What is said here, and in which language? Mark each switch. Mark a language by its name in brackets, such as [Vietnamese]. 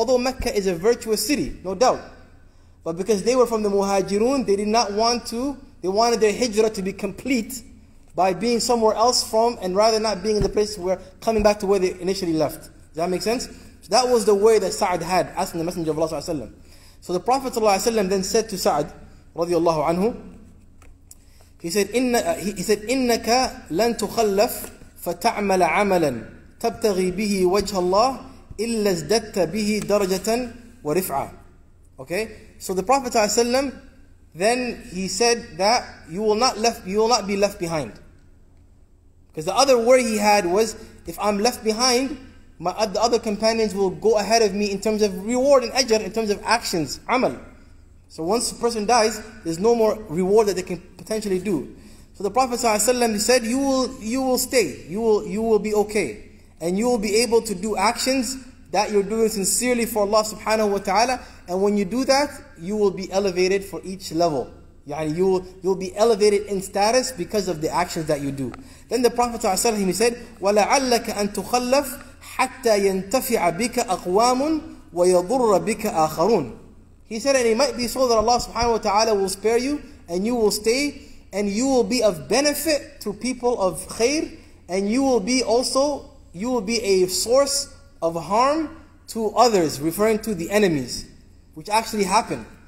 [English] Although Mecca is a virtuous city, no doubt. But because they were from the Muhajirun, they did not want to, they wanted their hijrah to be complete by being somewhere else from, and rather not being in the place where, coming back to where they initially left. Does that make sense? So that was the way that Sa'ad had, asking the Messenger of Allah. So the Prophet then said to Sa'ad, radiallahu anhu, he said, [Arabic] إِنَّكَ لَن تُخَلَّفْ فَتَعْمَلَ عَمَلًا تَبْتَغِي بِهِ وَجْهَ اللَّهِ إِلَّا ازْدَدْتَ بِهِ دَرَجَةً وَرِفْعًا. [English] Okay? So the Prophet ﷺ, then he said that you will not be left behind. Because the other worry he had was, if I'm left behind, the other companions will go ahead of me in terms of reward and ajr, in terms of actions, amal. So once a person dies, there's no more reward that they can potentially do. So the Prophet ﷺ said, you will stay, you will be okay. And you will be able to do actions that you're doing sincerely for Allah subhanahu wa ta'ala. And when you do that, you will be elevated for each level. Yani you'll be elevated in status because of the actions that you do. Then the Prophet ﷺ, he said, [Arabic] وَلَعَلَّكَ أَن تُخَلَّفْ حَتَّى يَنْتَفِعَ بِكَ أَقْوَامٌ وَيَضُرَّ بِكَ آخَرُونَ. [English] He said, and it might be so that Allah subhanahu wa ta'ala will spare you, and you will stay, and you will be of benefit to people of khair, and you will be a source of harm to others, referring to the enemies, which actually happened.